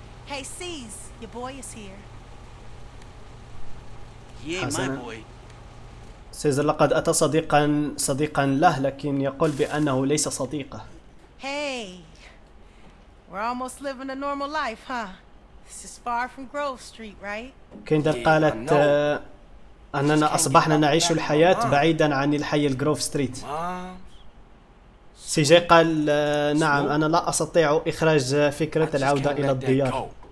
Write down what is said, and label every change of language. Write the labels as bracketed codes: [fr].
[en] Hey, Cease, your boy is here. Yeah, my boy. [ar] Cease, لقد أتى صديقاً له، لكن يقول بأنه ليس صديقه. [en] Hey, we're almost living a normal life, huh? This is far from Grove Street, right? [ar] كيندر قالت أننا أصبحنا نعيش الحياة بعيداً عن الحي الجروف ستريت. سي جي قال نعم انا لا استطيع اخراج فكره العوده الى الديار.